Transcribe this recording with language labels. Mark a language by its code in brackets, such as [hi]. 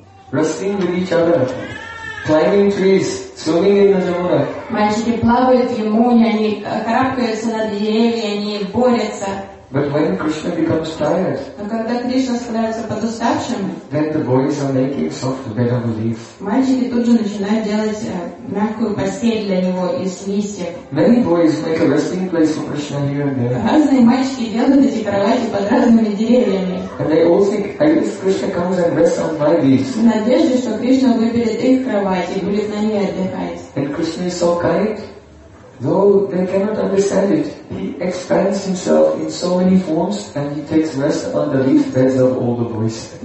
[en] Wrestling with each other, climbing trees, swimming in the Jamuna. [ru] Мальчики плавают в Ямуне, они карабкаются на деревья, они борются. [en] But when Krishna becomes tired, [ru] но когда Кришна становится подуставшим, [en] then the boys are making soft bed of leaves. [ru] Мальчики тут же начинают делать мягкую постель для него из листьев. [en] Many boys make a resting place for Krishna here and there. [ru] Разные мальчики делают эти кровати под разными деревьями. [en] And they all think, at least Krishna comes and rests on my leaves. [ru] В надежде, что Кришна выберет их кровать и будет на ней отдыхать. [en] And Krishna is so kind. Though they cannot understand it, he expands himself in so many forms and he takes rest on the leaf beds of all the boys.